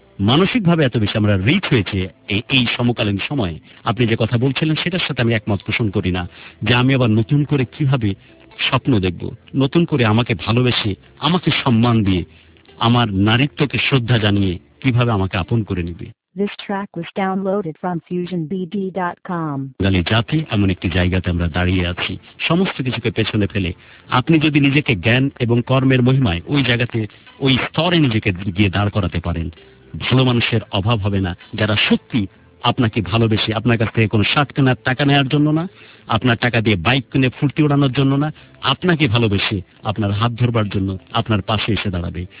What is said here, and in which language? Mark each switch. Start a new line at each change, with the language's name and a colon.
Bangla: মানসিক ভাবে এত বেশি আমরা রিচ হয়েছে এই সমকালীন সময়ে। আপনি যে কথা বলছিলেন সেটার সাথে আমি একমত পোষণ করি না যে আমি আবার নতুন করে কিভাবে স্বপ্ন দেখব, নতুন করে আমাকে ভালোবেসে আমাকে সম্মান দিয়ে আমার নারীত্বকে শ্রদ্ধা জানিয়ে কিভাবে আমাকে আপন করে নিবে।
English: This track was downloaded from FusionBD.com.
Bangla: গালি জাতি এমন একটি জায়গাতে আমরা দাঁড়িয়ে আছি সমস্ত কিছুকে পেছনে ফেলে, আপনি যদি নিজেকে জ্ঞান এবং কর্মের মহিমায় ওই জায়গাতে ওই স্তরে নিজেকে গিয়ে দাঁড় করাতে পারেন, ভালো মানুষের অভাব হবে না, যারা সত্যি আপনাকে ভালোবেসে। আপনার কাছ থেকে কোনো শার্ট কেনার টাকা নেওয়ার জন্য না, আপনার টাকা দিয়ে বাইক কিনে ফুর্তি ওড়ানোর জন্য না, আপনাকে ভালোবেসে আপনার হাত ধরবার জন্য আপনার পাশে এসে দাঁড়াবে।